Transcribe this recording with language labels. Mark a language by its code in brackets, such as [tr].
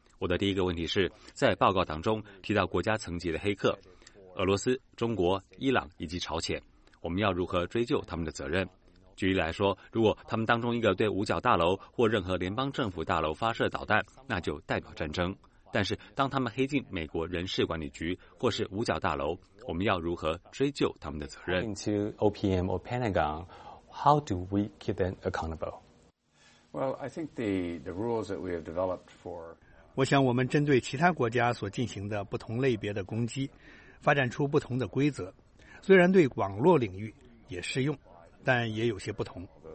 [zh] 我的第一个问题是，在报告当中提到国家层级的黑客，俄罗斯、中国、伊朗以及朝鲜，我们要如何追究他们的责任？举例来说，如果他们当中一个对五角大楼或任何联邦政府大楼发射导弹，那就代表战争。但是当他们黑进美国人事管理局或是五角大楼，我们要如何追究他们的责任？ [en] Into OPM or Pentagon, how do we keep them accountable? Well, I think the rules that we have developed for [zh] 我想我们针对其他国家所进行的不同类别的攻击发展出不同的规则，虽然对网络领域也适用，但也有些不同。